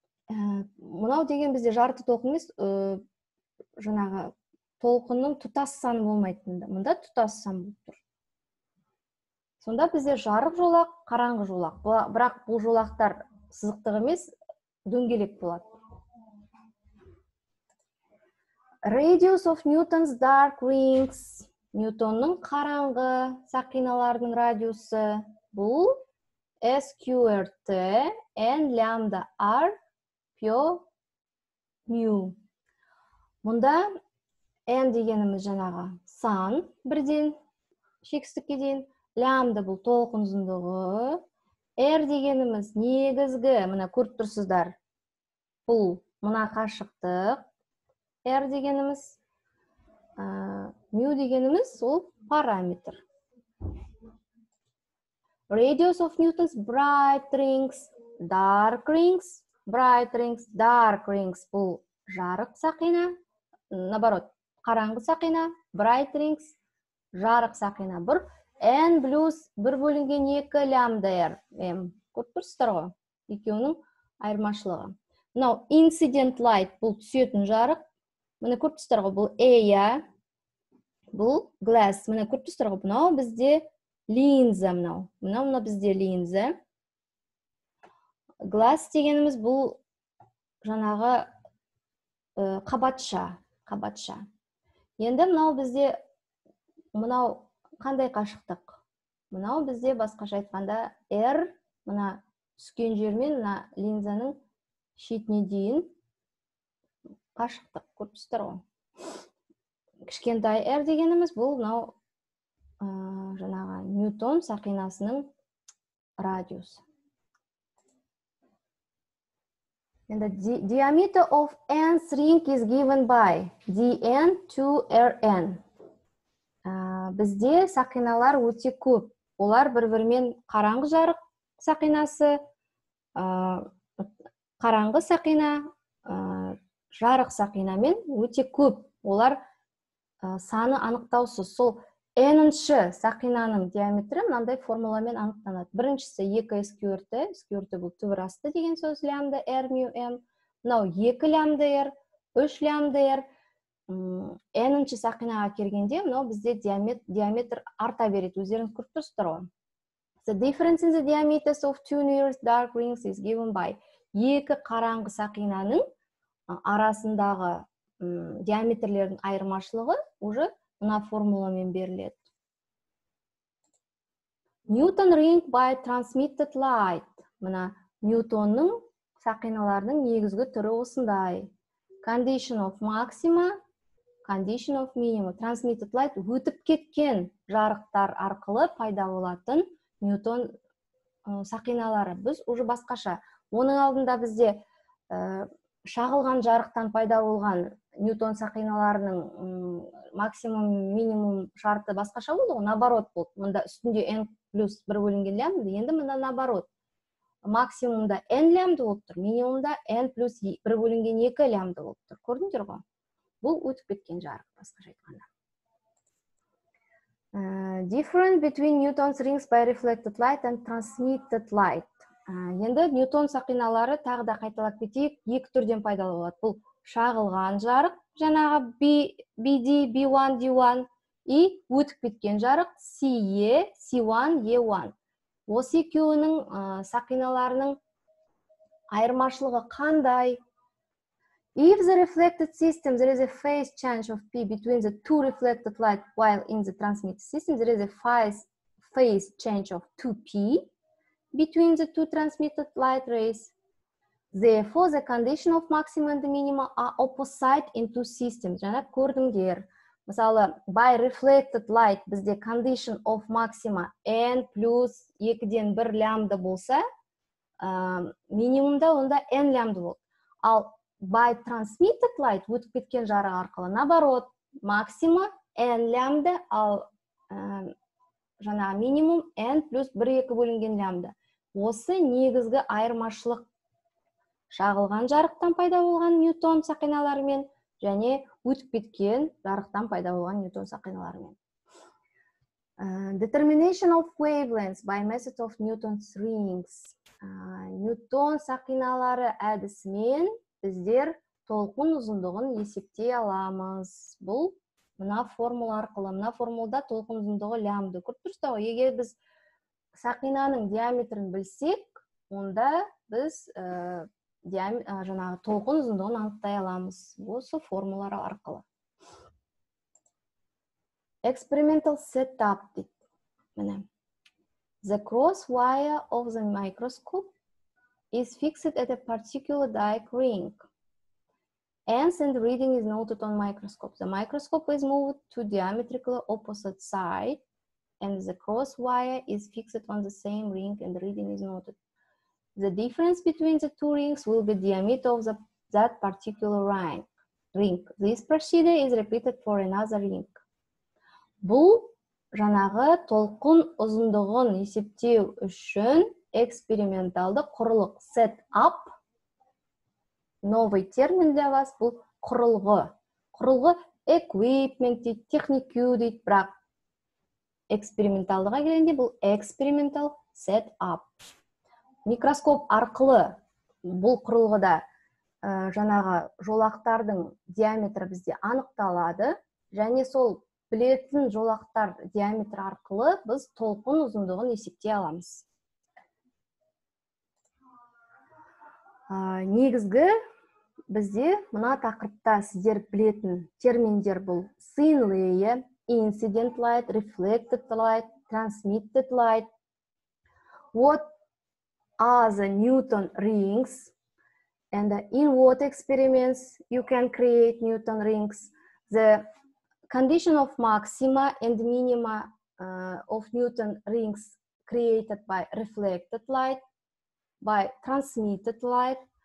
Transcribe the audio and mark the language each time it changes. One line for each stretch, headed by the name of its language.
Kazakh: Мынау деген бізде жарты толқын емес, жаңағы толқынның тұтас саны болмайтынды. Мында тұтас саны болып тұр. Сонда бізде жарық жолақ, қараңғы жолақ. Бірақ бұл жолақтар сызықтық емес, дөңгелек болады.
English: Radius of Newton's dark rings.
Kazakh: Ньютонның қараңғы сақиналарының радиусы. Бұл SQRT N lambda R pio mu. Мұнда N дегеніміз жаңағы сан бірден шексіздікке дейін. Лямбда бұл толқын ұзындығы. R дегеніміз негізгі, мына көріп тұрсыздар, бұл мына қашықтық. R дегеніміз, mu дегеніміз ол параметр.
English: Radius of Newton's bright rings, dark rings. Bright rings, dark rings
Kazakh: бұл жарық сақина. Наоборот, қараңғы сақина.
English: Bright rings,
Kazakh: жарық сақина бір. N плюс 1 бөлінген 2 лямбда R. Көріп тұрсыздар ғой. Екеуінің айырмашылығы. Мынау
English: incident light
Kazakh: бұл түсетін жарық. Мына көріп тұрсыздар ғой, бұл A, иә. Бұл glass. Мына көріп тұрсыздар ғой, мынау бізде линза мынау. Мына бізде линза. Glass дегеніміз бұл жаңағы қабатша, қабатша. Енді мынау бізде мынау қандай қашықтық? Мынау бізде басқаша айтқанда R, мына түскен жермен мына линзаның шетіне дейін қашықтық. Көріп тұрсыздар ғой. Кішкентай R дегеніміз бұл мынау жаңағы Ньютон сақинасының радиусы.
English: And the diameter of N's ring is given by Dn to Rn.
Kazakh: Бізде сақиналар өте көп. Олар бір-бірмен қараңғы жарық сақинасы, қараңғы сақина, жарық сақинамен өте көп. Олар саны анықтаусыз. Сол N-ші сақинаның диаметрі мынандай формуламен анықтанады. Біріншісі 2 SQRT, SQRT бұл түбір асты деген сөз, лямбда R mu m. Мынау 2 лямбда R, 3 лямбда R. N-ші сақинаға келгенде, мынау бізде диаметр арта береді. Өздеріңіз көріп тұрсыздар ғой.
English: The difference in the diameters of two nearest dark rings is given by 2
Kazakh: қараңғы сақинаның арасындағы диаметрлердің айырмашылығы уже мына формуламен беріледі.
English: Newton ring by transmitted light.
Kazakh: Мына Ньютонның сақиналарының негізгі түрі осындай.
English: Condition of maxima, condition of minima. Transmitted light
Kazakh: өтіп кеткен жарықтар арқылы пайда болатын Ньютон сақиналары. Біз уже басқаша. Оның алдында бізде шағылған жарықтан пайда болған Ньютон сақиналарының максимум, минимум шарты басқаша болды, наоборот болды. Мында үстінде N плюс 1 бөлінген лямбда, енді мында наоборот. Максимумда N лямбда болып тұр, минимумда N плюс 1 бөлінген 2 лямбда болып тұр. Көрдіңдер ғой? Бұл өтіп кеткен жарық басқаша айтқанда.
English: Different between Newton's rings by reflected light and transmitted light.
Kazakh: Енді Ньютон сақиналары тағы да қайталап кетейік, екі түрден пайдалы болады. Бұл шағылған жарық, жаңағы BD, B1, D1, и өтіп кеткен жарық CE, C1, E1. Осы екеуінің сақиналарының айырмашылығы қандай?
English: If the reflected system, there is a phase change of P between the two reflected light while in the transmitted system, there is a phase change of 2P between the two transmitted light rays. Therefore, the condition of maximum and minimum are opposite in two systems.
Kazakh: Жаңа көрдіңдер. Мысалы,
English: by reflected light,
Kazakh: бізде
English: condition of maxima n plus
Kazakh: 2-ден 1 лямбда болса, минимумда онда n лямбда болды. Ал
English: by transmitted light,
Kazakh: өтіп кеткен жарық арқылы, наоборот, максима n лямбда, ал жаңа минимум n плюс 1-2 бөлінген лямбда. Осы негізгі айырмашылық шағылған жарықтан пайда болған Ньютон сақиналарымен және өтіп кеткен жарықтан пайда болған Ньютон сақиналарымен. Determination of wavelengths by method of Newton's rings. Ньютон сақиналары әдісімен біздер толқын ұзындығын есептей аламыз. Бұл мына формула арқылы. Мына формулада толқын ұзындығы лямбда. Көріп тұрсыздар, егер біз сақинаның диаметрін білсек, онда біз жаңағы толқын ұзындығын анықтай аламыз. Осы формулалар арқылы.
English: Experimental setup.
Kazakh: Міне.
English: The cross wire of the microscope is fixed at a particular dike ring. And reading is noted on microscope. The microscope is moved to diametrically opposite side. And the cross wire is fixed on the same ring and the reading is noted. The difference between the two rings will be diameter of that particular ring. This procedure is repeated for another ring.
Kazakh: Бұл жаңағы толқын ұзындығын есептеу үшін эксперименталды құрылық set up.
Russian: Новый термин для вас
Kazakh: бұл құрылғы. Құрылғы equipment, технику дейді, бірақ эксперименталдыға келгенде бұл
English: experimental setup.
Kazakh: Микроскоп арқылы бұл құрылғыда жаңағы жолақтардың диаметрі бізде анықталады. Және сол білетін жолақтар диаметрі арқылы біз толқын ұзындығын есептей аламыз. Негізгі бізде мына тақырыпта сіздер білетін терминдер бұл
English: thin layer, incident light, reflected light, transmitted light. What are the Newton rings? And in what experiments you can create Newton rings? The condition of maxima and minima of Newton rings created by reflected light, by transmitted light.